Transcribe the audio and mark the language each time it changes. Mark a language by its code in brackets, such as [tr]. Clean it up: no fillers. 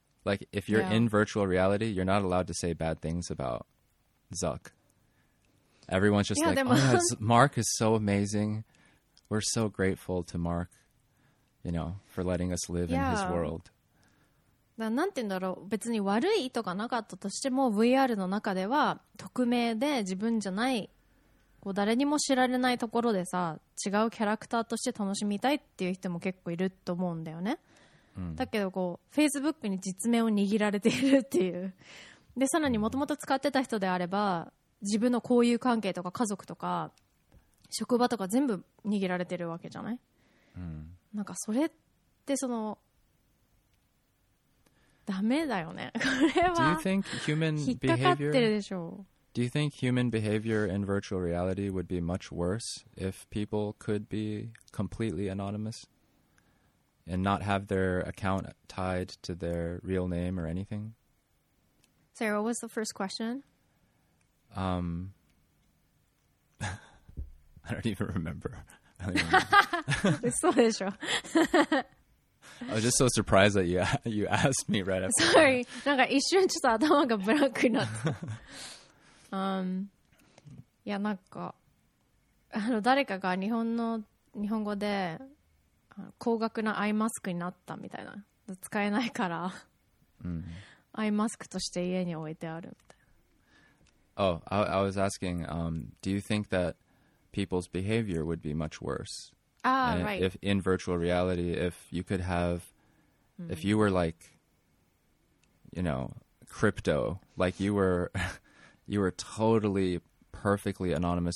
[en] Like if you're in virtual reality, you're not allowed to say bad things about Zuck. Everyone's just like, oh, Mark is so amazing. We're so grateful to Mark. You know, for letting us live in his world. [ja] だ、なんて言うんだろう、別に悪い意図がなかったとしても、VR の中では匿名で自分じゃない、こう誰にも知られないところでさ、違うキャラクターとして楽しみたいっていう人も結構いると思うんだよね。うん、だけどこう、Facebook に実名を握られているっていう。で、さらにもともと使ってた人であれば、自分の交友関係とか家族とか、職場とか全部握られてるわけじゃない？うん。なんかそれってそのダメだよね。これは引っかかってるでしょう。 [en] Do you think human behavior in virtual reality would be much worse if people could be completely anonymous and not have their account tied to their real name or anything? Sarah, what was the first question? I don't even remember. [ja] そうでしょ。 [en] I was just so surprised that you asked me right after. [ja] Sorry, なんか一瞬ちょっと頭がブランクになった。いやなんか誰かが日本語で高額なアイマスクになったみたいな、使えないから、アイマスクとして家に置いてあるみたいな。 [en] Oh, I was asking, do you think that? People's behavior would be much worse. Ah, right. If in virtual reality, if you could have, if you were like, you know, crypto, like you were totally perfectly anonymous.